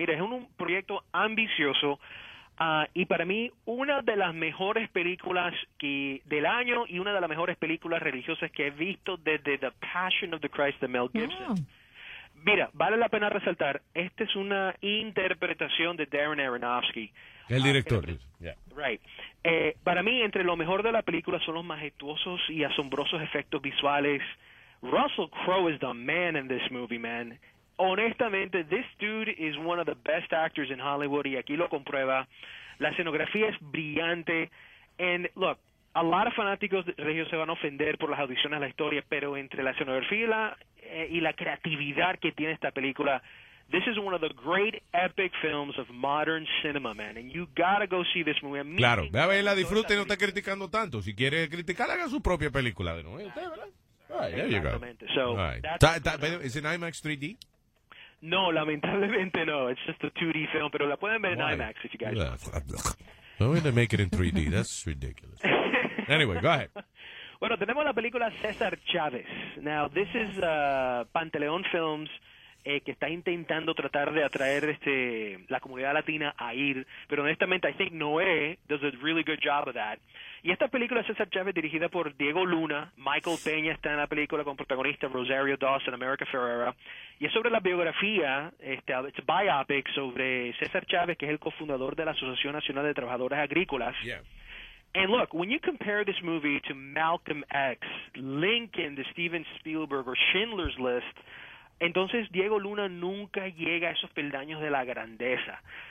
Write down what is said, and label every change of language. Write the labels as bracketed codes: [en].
[es] Mira, es un proyecto ambicioso, y para mí una de las mejores películas del año y una de las mejores películas religiosas que he visto desde The Passion of the Christ de Mel Gibson. [en] Yeah. [es] Mira, vale la pena resaltar, esta es una interpretación de Darren Aronofsky. El director. [en] Right. [es] Para mí, entre lo mejor de la película son los majestuosos y asombrosos efectos visuales. [en] Russell Crowe is the man in this movie, man. [es] Honestamente, [en] this dude is one of the best actors in Hollywood, [es] y aquí lo comprueba. [en] La escenografía es brillante. And look, a lot of fanáticos de religiosos se van a ofender por las audiciones a la historia, pero entre la escenografía y la creatividad que tiene esta película, this is one of the great epic films of modern cinema, man. And you gotta go see this movie. [es] Claro, ve a verla, disfrute, no está criticando tanto. Si quiere criticar, haga su propia película de nuevo. Usted, ¿verdad? [en] Right, there you go. [es] ¿Es en IMAX 3D? No, lamentablemente no. [en] It's just a 2D film, [es] pero la pueden ver en IMAX [en] if you guys want. I'm going to make it in 3D. That's ridiculous. Anyway, go ahead. [es] Bueno, tenemos la película César Chávez. [en] Now, this is [es] Pantaleón Films, que está intentando tratar de atraer la comunidad latina a ir. Pero honestamente, [en] I think Noé does a really good job of that. [es] Y esta película César Chávez, dirigida por Diego Luna, Michael Peña está en la película con protagonista Rosario Dawson, America Ferrera. Y es sobre la biografía, [en] it's a biopic [es] sobre César Chávez, que es el cofundador de la Asociación Nacional de Trabajadores Agrícolas. [en] Yeah. And look, when you compare this movie to Malcolm X, Lincoln, the Steven Spielberg, or Schindler's List, [es] entonces Diego Luna nunca llega a esos peldaños de la grandeza.